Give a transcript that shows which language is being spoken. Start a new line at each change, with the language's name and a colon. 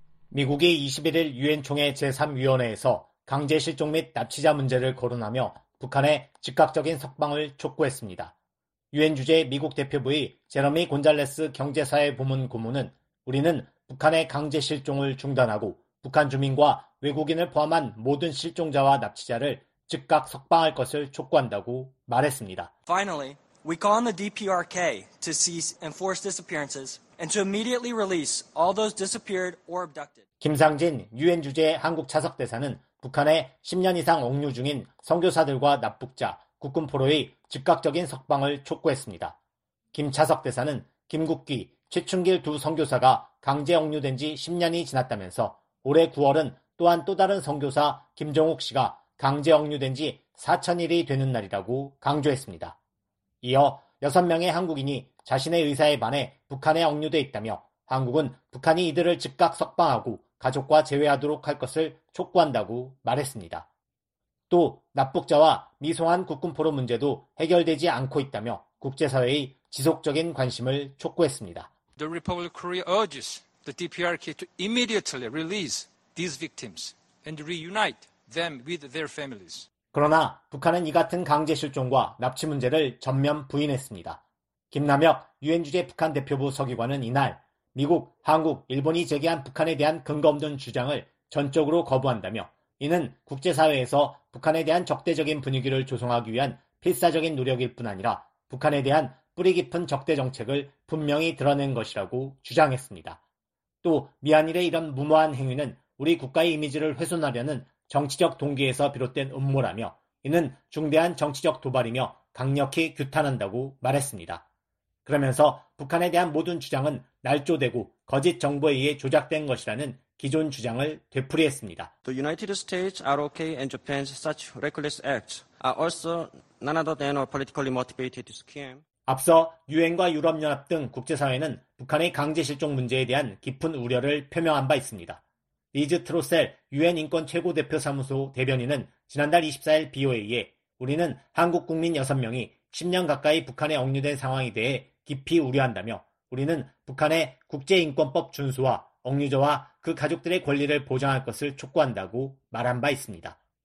Korean: 미국이 21일 유엔총회 제3위원회에서 강제실종 및 납치자 문제를 거론하며 북한의 즉각적인 석방을 촉구했습니다. 유엔 주재 미국 대표부의 제러미 곤잘레스 경제사회 부문 고문은 우리는 북한의 강제 실종을 중단하고 북한 주민과 외국인을 포함한 모든 실종자와 납치자를 즉각 석방할 것을 촉구한다고 말했습니다.
English: Finally, we call on the DPRK to cease and force disappearances and to immediately release all those disappeared or abducted.
Korean: 김상진 유엔 주재 한국 차석 대사는 북한의 10년 이상 억류 중인 선교사들과 납북자, 국군 포로의 즉각적인 석방을 촉구했습니다. 김 차석 대사는 김국기, 최충길 두 선교사가 강제 억류된 지 10년이 지났다면서 올해 9월은 또한 또 다른 선교사 김정욱 씨가 강제 억류된 지 4,000일이 되는 날이라고 강조했습니다. 이어 6명의 한국인이 자신의 의사에 반해 북한에 억류돼 있다며 한국은 북한이 이들을 즉각 석방하고 가족과 재회하도록 할 것을 촉구한다고 말했습니다. 또 납북자와 미송한 국군포로 문제도 해결되지 않고 있다며 국제사회의 지속적인 관심을 촉구했습니다.
English: The Republic of Korea urges the DPRK to immediately release these victims and reunite them with their families.
Korean: 그러나 북한은 이 같은 강제 실종과 납치 문제를 전면 부인했습니다. 김남혁 유엔 주재 북한 대표부 서기관은 이날 미국, 한국, 일본이 제기한 북한에 대한 근거 없는 주장을 전적으로 거부한다며 이는 국제사회에서 북한에 대한 적대적인 분위기를 조성하기 위한 필사적인 노력일 뿐 아니라 북한에 대한 뿌리 깊은 적대 정책을 분명히 드러낸 것이라고 주장했습니다. 또 미한일의 이런 무모한 행위는 우리 국가의 이미지를 훼손하려는 정치적 동기에서 비롯된 음모라며 이는 중대한 정치적 도발이며 강력히 규탄한다고 말했습니다. 그러면서 북한에 대한 모든 주장은 날조되고 거짓 정보에 의해 조작된 것이라는 기존 주장을 되풀이했습니다.
English: The United States, ROK and Japan's such reckless acts are also none other than a politically motivated scheme.
Korean: 앞서 유엔과 유럽연합 등 국제사회는 북한의 강제 실종 문제에 대한 깊은 우려를 표명한 바 있습니다. 리즈 트로셀 유엔 인권 최고 대표 사무소 대변인은 지난달 24일 BOA에 우리는 한국 국민 6명이 10년 가까이 북한에 억류된 상황에 대해 깊이 우려한다며 우리는 북한의 국제인권법 준수와 억류자와 그 가족들의 권리를 보장할 것을 촉구한다고 말한 바 있습니다.